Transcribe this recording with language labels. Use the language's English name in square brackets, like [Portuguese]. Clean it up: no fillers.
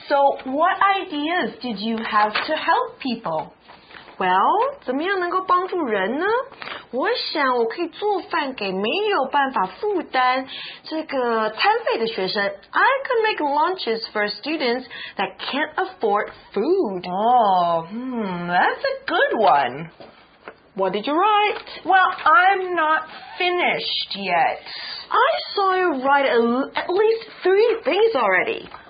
[English] So what ideas did you have to help people? [Chinese] Well, 怎么样能够帮助人呢？我想我可以做饭给没有办法负担这个餐费的学生。 [English] I can make lunches for students that can't afford food. That's a good one. What did you write? Well, I'm not finished yet. I saw you write at least 3 things already.